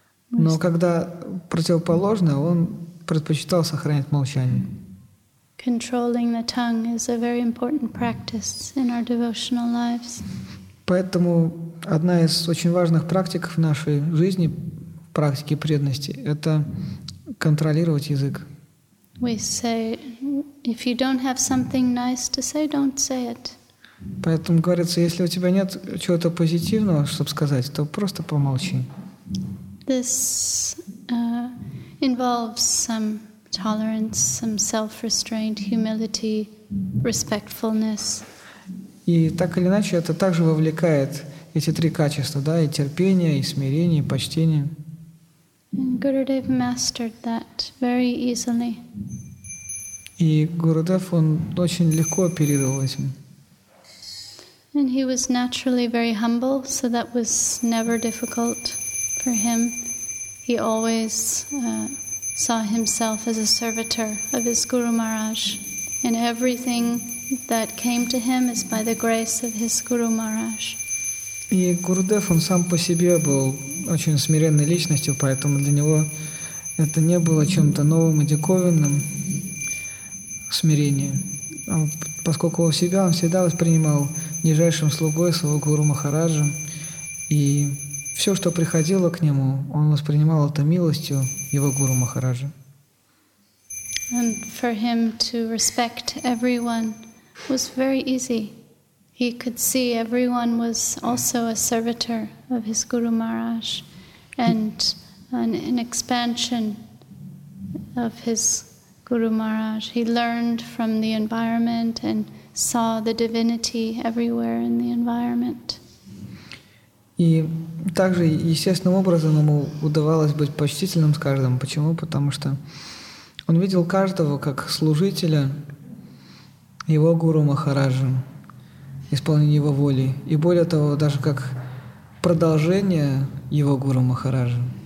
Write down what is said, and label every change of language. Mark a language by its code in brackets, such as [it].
[ru] Но когда противоположное, он предпочитал сохранять молчание. [en] Controlling the tongue is a very important practice in our devotional lives. [ru] Поэтому одна из очень важных практик в нашей жизни, в практике преданности, это контролировать язык. [en] We say, if you don't have something nice to say, don't say it. [ru] Поэтому говорится, если у тебя нет чего-то позитивного, чтобы сказать, то просто помолчи. [en] This involves some tolerance, some self-restraint, humility, respectfulness. [ru] И так или иначе, это также вовлекает эти три качества, да, и терпение, и смирение, и почтение. [en] And Gurudev mastered that very easily. [ru] И Гурудев, он очень легко оперировал этим. [en] And he was naturally very humble, so that was never difficult for him. He always saw himself as a servitor of his Guru Maharaj. And everything that came to him is by the grace of his Guru Maharaj. [ru] И Гурудев, он сам по себе был очень смиренной личностью, поэтому для него это не было чем-то новым и диковинным смирением. Поскольку у себя он всегда воспринимал нижайшим слугой своего Гуру Махараджа, и все, что приходило к нему, он воспринимал это милостью его Гуру Махараджа. [en] And for him to respect everyone was very easy. He could see everyone was also a servitor of his Guru Maharaj and an expansion of his Guru Maharaj. He learned from the environment and saw the divinity everywhere in the environment. [ru] И также естественным образом ему удавалось быть почтительным с каждым. Почему? Потому что он видел каждого как служителя его Гуру Махараджа, исполнение его воли, и более того, даже как продолжение его Гуру Махараджа.